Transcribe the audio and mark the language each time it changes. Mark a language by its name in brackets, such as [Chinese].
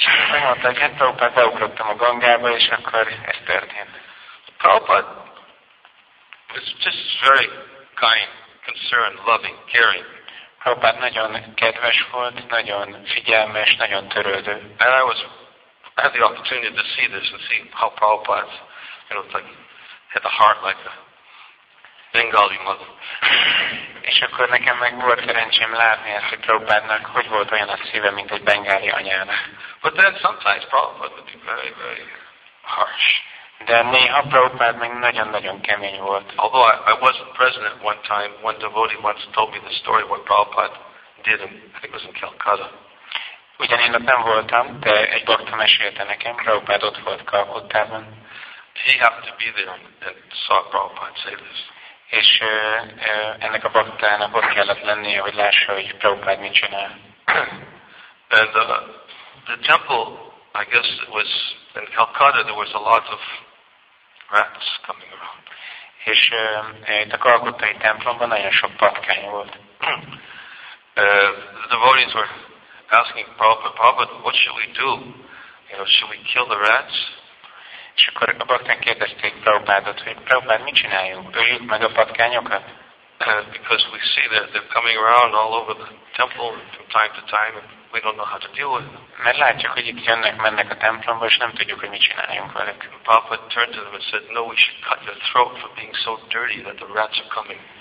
[Hungarian] Megmondták, hát Prabhupada, beugrottam a Gangába, és akkor ez történt. [English] Prabhupada was just very kind, concerned, loving, caring. [Hungarian] Prabhupada nagyon kedves volt, nagyon figyelmes, nagyon törődő. [English] And I had the opportunity to see this and see how Prabhupada, like, had a heart like a Bengali mother. [Hungarian] És akkor nekem meg volt szerencsém látni ezt, hogy Prabhupádnak hogy volt olyan a szíve, mint egy bengáli anyának. [English] But then sometimes Prabhupád would be very, very harsh. [Hungarian] De néha Prabhupád meg nagyon-nagyon kemény volt. [English] Although I wasn't present at one time, one devotee once told me the story what Prabhupád did, and I think it was in Calcutta. [Hungarian] Ugyan én ott nem voltam, de egy bakta mesélte nekem, Prabhupád ott volt Calcuttában. [English] He happened to be there and saw Prabhupád say this. [Hungarian] És ennek a baktának ott kellett lennie, hogy lássa, hogy Prabhupád mit csinál. [English] And the temple I guess it was in Calcutta, there was a lot of rats coming around. [Hungarian] És itt a kalkuttai templomban nagyon sok patkány volt. [English] The devotees were asking Prabhupada, what should we do? You know, should we kill the rats? [Hungarian] És akkor a baktán kérdezték Prabhupádot, hogy Prabhupád, mit csináljunk? Öljük meg a patkányokat? [English] Because we see that they're coming around all over the temple from time to time, and we don't know how to deal with them. [Hungarian] Mert látjuk, hogy itt jönnek, mennek a templomba, és nem tudjuk, hogy mit csináljunk velük. [English] Prabhupada turned to them and said, no, we should cut your throat for being so dirty that the rats are coming.